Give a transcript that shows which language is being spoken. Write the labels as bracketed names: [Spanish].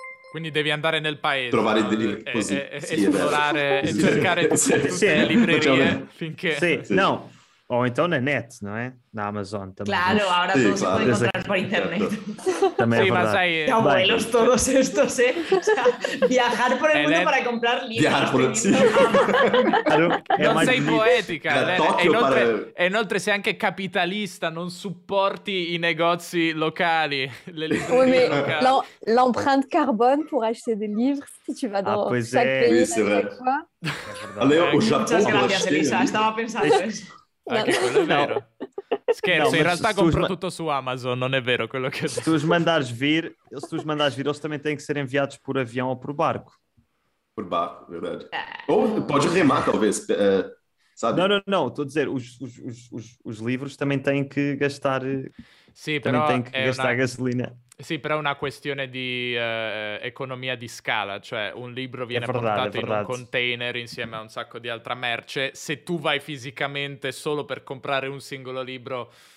[Italian] Quindi devi andare nel paese. Trovare dei libri così. Esplorare e cercare tutte le librerie finché... Sì, no. [Portuguese] O então na net, não é? Na Amazon também. [Spanish] Claro, ahora todo se puede encontrar por internet. También sí, más ahí. Abuelos todos estos, ¿eh? O sea, viajar por el mundo para comprar libros. Viajar por el sí. Claro, no sei libro. Poética. [Italian] Inoltre, sei anche capitalista, non supporti i negozi locali. Le [French] oui, mais l'empreinte carbone pour acheter des livres, si tu vas dans chaque pays, oui, c'est vrai. Allez, au Japon, [Spanish] muchas gracias, Elisa. Estaba pensando eso. [Italian] Anche quello è vero. Scherzo, no, in realtà compro tutto su Amazon, non è vero quello che... [Portuguese] Se tu os mandares vir, eles também têm que ser enviados por avião ou por barco. Por barco, verdade. Ou pode remar, talvez, sabe? Não, estou a dizer, os livros também têm que gastar... [Italian] Sì, però è una... gasolina. Sì, però è una questione di economia di scala, cioè un libro viene portato in un container insieme a un sacco di altra merce. Se tu vai fisicamente solo per comprare un singolo libro,